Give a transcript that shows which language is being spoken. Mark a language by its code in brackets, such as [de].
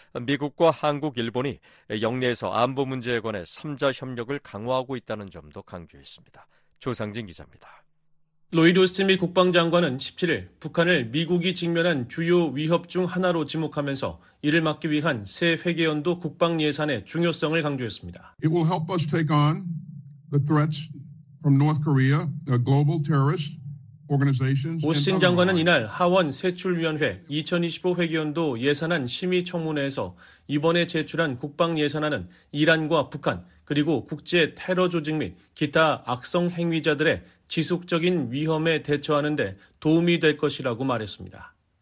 [ko] 미국과 한국, 일본이 영내에서 안보 문제에 관해 3자 협력을 강화하고 있다는 점도 강조했습니다. 조상진 기자입니다. 로이드 오스틴 미 국방장관은 17일 북한을 미국이 직면한 주요 위협 중 하나로 지목하면서 이를 막기 위한 새 회계연도 국방 예산의 중요성을 강조했습니다. [en] It will help us take on the threats from North Korea, the global terrorist. [ko] 오스틴 장관은 이날 하원 세출위원회 2025 회계연도 예산안 심의청문회에서 이번에 제출한 국방예산안은 이란과 북한 그리고 국제 테러 조직 및 기타 악성 행위자들의 지속적인 위험에 대처하는 데 도움이 될 것이라고 말했습니다.